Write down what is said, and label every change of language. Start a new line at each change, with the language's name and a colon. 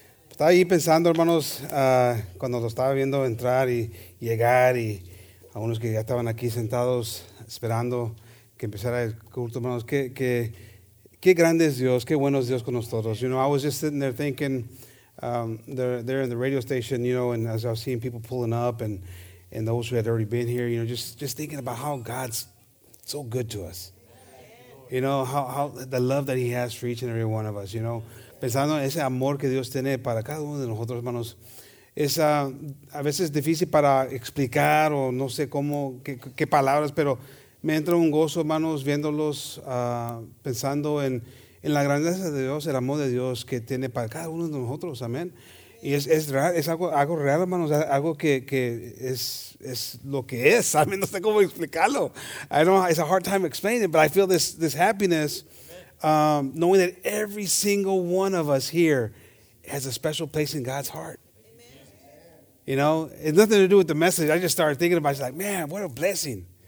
Spanish: Estaba ahí pensando, hermanos, cuando lo estaba viendo entrar y llegar y a unos que ya estaban aquí sentados esperando que empezara el culto, hermanos. Qué grande es Dios. Qué bueno es Dios con nosotros.
English: You know, I was just sitting there thinking, they're in the radio station, you know, and as I was seeing people pulling up and those who had already been here, you know, just thinking about how God's so good to us. You know, how the love that he has for each and every one of us, you know.
Spanish: Pensando en ese amor que Dios tiene para cada uno de nosotros, hermanos. Es a veces difícil para explicar o no sé cómo, qué palabras, pero me entra un gozo, hermanos, viéndolos, pensando en la grandeza de Dios, el amor de Dios que tiene para cada uno de nosotros, amén. Y es algo real, hermanos, algo que es lo que es.
English: I mean,
Spanish: no sé cómo explicarlo.
English: I don't know, it's a hard time explaining it, but I feel this happiness knowing that every single one of us here has a special place in God's heart. Amen. You know, it's nothing to do with the message. I just started thinking about it. It's like, man, what a blessing.